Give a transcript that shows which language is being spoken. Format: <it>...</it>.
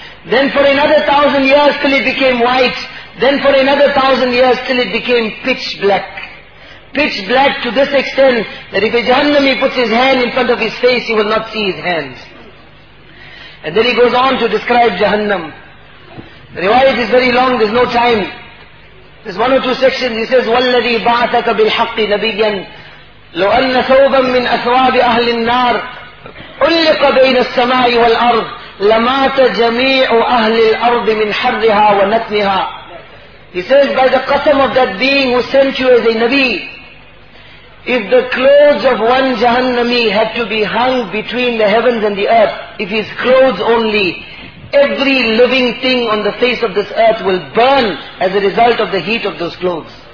<en>Then for another 1,000 years till it became white. Then for another 1,000 years till it became pitch black. Pitch black to this extent that if a Jahannami puts his hand in front of his face, he will not see his hands. And then he goes on to describe Jahannam. The riwayat is very long, there's no time. There's one or two sections. He says,</en> <ar>وَالَّذِي بَعْتَكَ بِالْحَقِّ نَبِيًّا لو أن ثوبا من أثواب أهل النار علق بين السماء والأرض لمات جميع أهل الأرض من حرها ونتنها.</ar> <en>He says, by the qasam of that being who sent you as a Nabi, if the clothes of one Jahannami had to be hung between the heavens and the earth, if his clothes only, every living thing on the face of this earth will burn as a result of the heat of those clothes.</en>